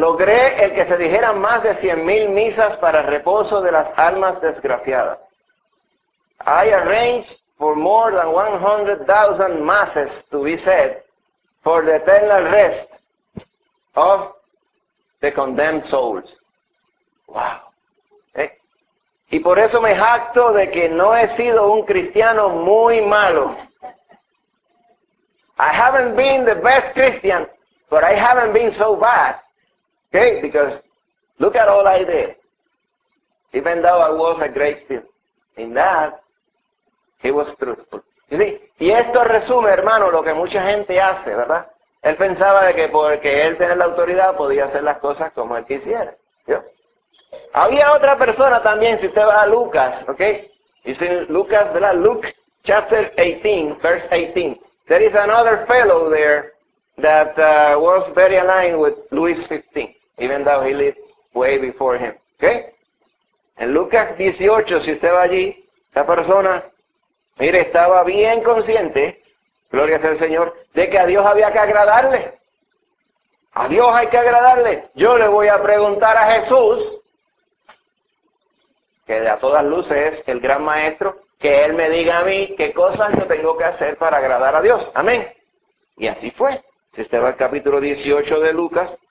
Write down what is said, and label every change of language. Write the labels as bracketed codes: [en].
[es] Logré el que se dijeran más de 100,000 misas para el reposo de las almas desgraciadas. [en] I arranged for more than 100,000 masses to be said for the eternal rest of the condemned souls. Wow. Okay. [es] Y por eso me jacto de que no he sido un cristiano muy malo. [en] I haven't been the best Christian, but I haven't been so bad. Okay, because look at all I did. Even though I was a great sin, in that, he was truthful. You see? [es] Y esto resume, hermano, lo que mucha gente hace, ¿verdad? Él pensaba de que porque él tenía la autoridad podía hacer las cosas como él quisiera. ¿Sí? Había otra persona también, si usted va a Lucas, okay? Y si Lucas, ¿verdad? [en] Luke chapter 18, verse 18. There is another fellow there that was very aligned with Louis XV, even though he lived way before him. Okay? [es] En Lucas 18, si usted va allí, esta persona, mire, estaba bien consciente, gloria sea el Señor, de que a Dios había que agradarle. A Dios hay que agradarle. Yo le voy a preguntar a Jesús, que a todas luces es el gran maestro, que él me diga a mí qué cosas yo tengo que hacer para agradar a Dios. Amén. Y así fue. Si usted va al capítulo 18 de Lucas,